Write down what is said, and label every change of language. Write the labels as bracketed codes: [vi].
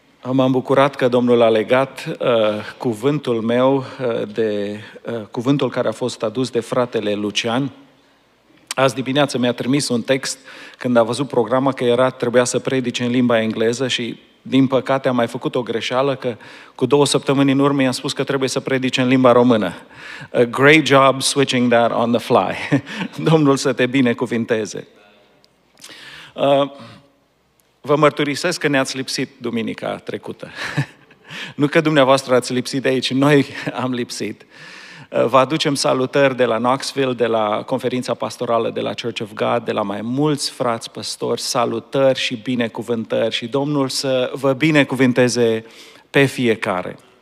[ro] M-am bucurat că Domnul a legat cuvântul meu de cuvântul care a fost adus de fratele Lucian. Azi dimineață mi-a trimis un text când a văzut programa că trebuia să predice în limba engleză și din păcate am mai făcut o greșeală, că cu două săptămâni în urmă i-am spus că trebuie să predice în limba română. [en] A great job switching that on the fly. [ro] Domnul să te binecuvinteze. Vă mărturisesc că ne-ați lipsit duminica trecută. Nu că dumneavoastră ați lipsit de aici, noi am lipsit. Vă aducem salutări de la Knoxville, de la conferința pastorală de la Church of God, de la mai mulți frați păstori, salutări și binecuvântări și Domnul să vă binecuvinteze pe fiecare.